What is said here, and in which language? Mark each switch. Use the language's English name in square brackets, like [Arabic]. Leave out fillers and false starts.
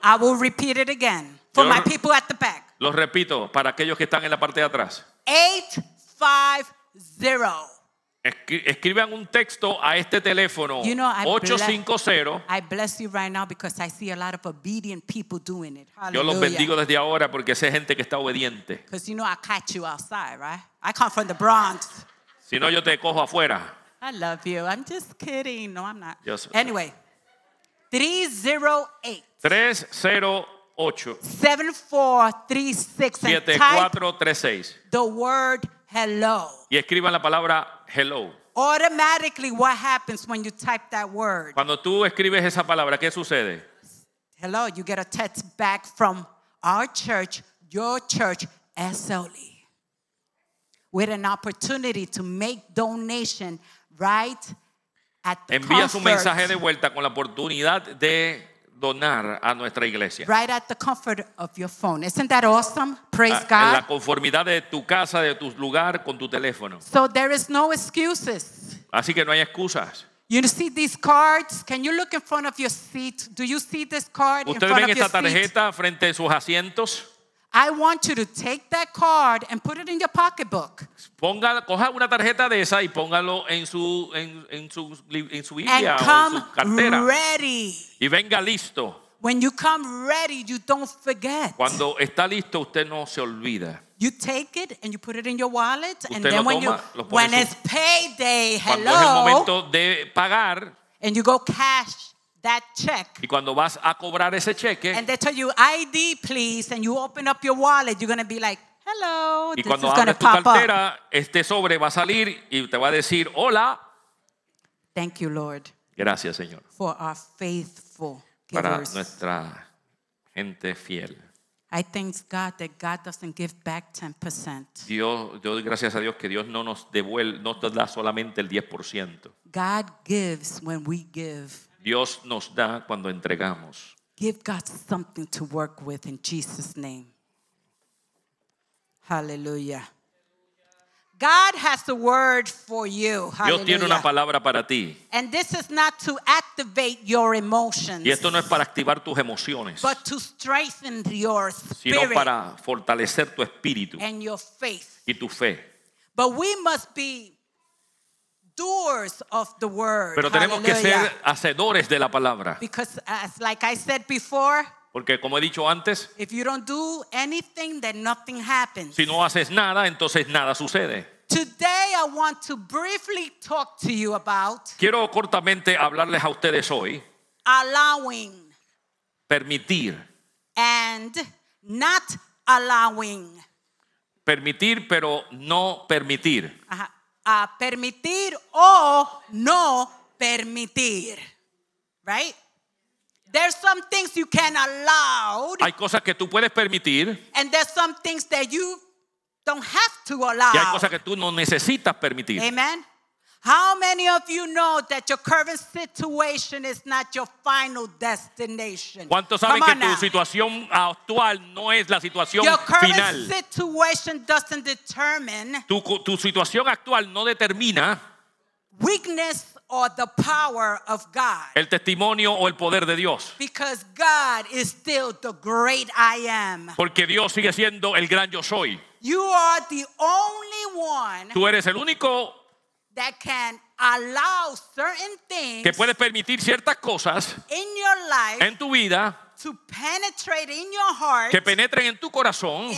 [English] I will repeat it again for my people at the back. [Spanish] Lo repito para aquellos que están en la parte de atrás 850 Escriban un texto a este teléfono [English] you know, 850. I bless you right now because I see a lot of obedient people doing it. Hallelujah. [Spanish] Yo los bendigo desde ahora porque sé gente que está obediente. [English] Because you know I catch you outside, right? I come from the Bronx. [Spanish] Si no, yo te cojo afuera. [English] I love you. I'm just kidding. No, I'm not. Yes, anyway, 308-7436 the word hello. [Spanish] Y escriban la palabra hello. [English] Automatically, what happens when you type that word? [Spanish] Cuando tú escribes esa palabra, ¿qué sucede? [English] Hello, you get a text back from our church, your church, SLE, with an opportunity to make donation right at the [Spanish] Envías [English] concert. [Spanish] Un mensaje de vuelta con la oportunidad de donar a nuestra iglesia. [English] Right at the comfort of your phone. Isn't that awesome? Praise God. [Spanish] En la conformidad de tu casa, de tu lugar, con tu teléfono. [English] So there is no excuses. [Spanish] Así que no hay excusas. [English] You see these cards? Can you look in front of your seat? Do you see this card in front of your seat? [Spanish] ¿Ustedes ven esta tarjeta frente a sus asientos? [English] I want you to take that card and put it in your pocketbook. [Spanish] Ponga, coja una tarjeta de esa y póngalo en su Biblia o en su cartera. [English] And come ready. [Spanish] Y venga listo. [English] When you come ready, you don't forget. [Spanish] Cuando está listo, usted no se olvida. [English] You take it and you put it in your wallet, [Spanish] usted [English] and then [Spanish] toma, [English] when you when it's payday, hello. [Spanish] Cuando es el momento de pagar. [English] And you go cash. That check. [Spanish] Y cuando vas a cobrar ese cheque. [English] And they tell you ID, please, and you open up your wallet. You're gonna be like, hello. [Spanish] Y cuando abres tu cartera, este sobre va a salir y te va a decir, hola. [English] Thank you, Lord. [Spanish] Gracias, Señor. [English] For our faithful givers. [Spanish] Para nuestra gente fiel. [English] I thank God that God doesn't give back 10%. [Spanish] Dios, yo doy gracias a Dios que Dios no nos devuelve, no nos da solamente el 10%. [English] God gives when we give. [Spanish] Dios nos da cuando entregamos. [English] Give God something to work with in Jesus' name. Hallelujah. God has the word for you. Hallelujah. [Spanish] Dios tiene una palabra para ti. [English] And this is not to activate your emotions. [Spanish] Y esto no es para activar tus emociones. [English] But to strengthen your spirit. [Spanish] Sino para fortalecer tu espíritu. [English] And your faith. [Spanish] Y tu fe. [English] But we must be doers of the word. [Spanish] Pero tenemos que ser hacedores de la palabra. [English] Because as like I said before, [Spanish] porque como he dicho antes, [English] if you don't do anything, then nothing happens. [Spanish] Si no haces nada, entonces nada sucede. [English] Today I want to briefly talk to you about, [Spanish] quiero cortamente hablarles a ustedes hoy, [English] allowing, [Spanish] permitir, [English] and not allowing, [Spanish] permitir pero no permitir, permitir o no permitir, right? [English] There's some things you can allow. [Spanish] Hay cosas que tú puedes permitir. [English] And there's some things that you don't have to allow. [Spanish] Y hay cosas que tú no necesitas permitir. [English] Amen. How many of you know that your current situation is not your final destination? [Spanish] ¿Cuántos saben que tu situación actual no es la situación final? [English] Your current situation doesn't determine. [Spanish] Tu situación actual no determina. [English] Weakness or the power of God. [Spanish] El testimonio o el poder de Dios. [English] Because God is still the great I am. [Spanish] Porque Dios sigue siendo el gran yo soy. [English] You are the only one. [Spanish] Tú eres el único [English] that can allow certain things. [Spanish] Que puedes permitir ciertas cosas [English] in your life. [Spanish] En tu vida. [English] To penetrate in your heart. [Spanish] Que penetren en tu corazón.